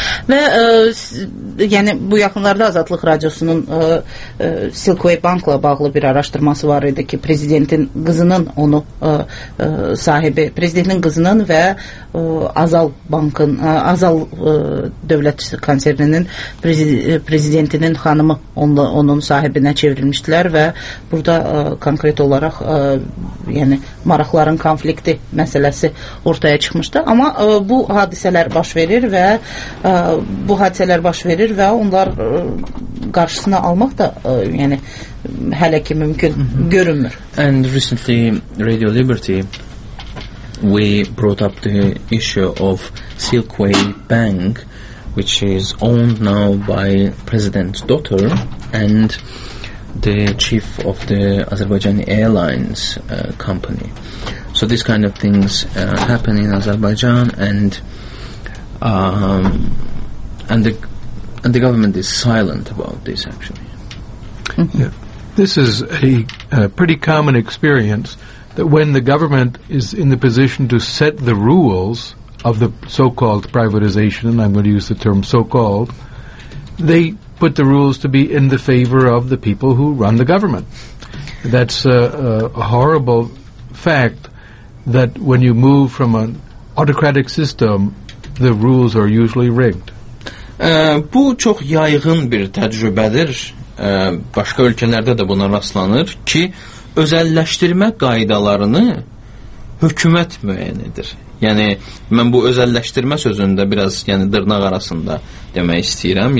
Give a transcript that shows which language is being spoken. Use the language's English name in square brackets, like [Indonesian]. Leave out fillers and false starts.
[Azerbaijani] Və yəni bu yaxınlarda Azadlıq Radiosunun Silkway Bankla bağlı bir araşdırması var idi ki, prezidentin qızının onu sahibi, prezidentin qızının və Azal Bankın, Azal dövlət konserninin prezidentinin xanımı onun sahibinə çevrilmişdilər və burada konkret olaraq yəni maraqların konflikti məsələsi ortaya çıxmışdı. Amma bu hadisələr baş verir və bu hadisələr baş verir və onlar qarşısını almaq da yəni hələ ki mümkün görünmür. [English] And recently Radio Liberty we brought up the issue of Silkway Bank, which is owned now by president's daughter and the chief of the Azerbaijani Airlines company. So this kind of things happen in Azerbaijan, and the government is silent about this actually. Yeah. This is a pretty common experience that when the government is in the position to set the rules of the so-called privatization, and I'm going to use the term so-called, they put the rules to be in the favor of the people who run the government. That's a horrible fact, that when you move from an autocratic system, the rules are usually rigged. [Azerbaijani] Bu çox yayğın bir təcrübədir. Başqa ölkələrdə də buna rastlanır ki, özəlləşdirmə qaydalarını hökumət müəyyən edir. Yəni mən bu özəlləşdirmə sözündə biraz yəni dırnaq arasında demək istəyirəm.